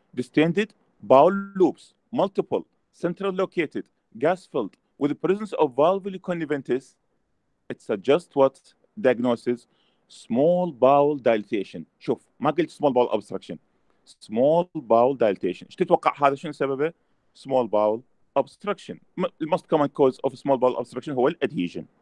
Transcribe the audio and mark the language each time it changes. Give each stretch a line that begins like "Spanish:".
English: Distended bowel loops, multiple, central located, gas filled, with the presence of valvular conventus, it suggests what diagnosis? Small bowel dilatation.
Arabic: شوف ما قلت
English: small bowel obstruction. Small bowel dilatation.
Arabic: ايش تتوقع هذا شنو سببه؟
English: Small bowel obstruction. The most common cause of small bowel obstruction
Arabic: هو الادهيجن.